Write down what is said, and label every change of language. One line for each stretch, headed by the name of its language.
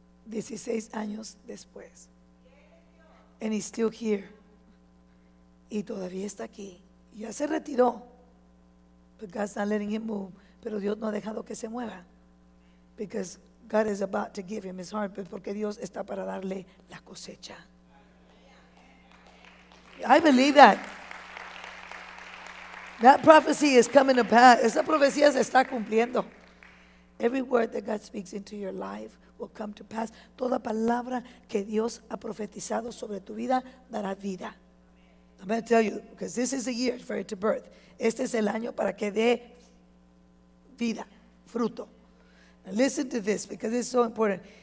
Spanish: 16 años después.
English: And he's still here.
Spanish: Y todavía está aquí. Ya se retiró.
English: But God's not letting him move.
Spanish: Pero Dios no ha dejado que se mueva.
English: Because God is about to give him his harvest.
Spanish: Porque Dios está para darle la cosecha.
English: I believe that. That prophecy is coming to pass.
Spanish: Esa profecía se está cumpliendo.
English: Every word that God speaks into your life will come to pass.
Spanish: Toda palabra que Dios ha profetizado sobre tu vida dará vida.
English: I'm going to tell you, because this is the year for it to birth.
Spanish: Este es el año para que dé vida, fruto.
English: Now listen to this, because it's so important.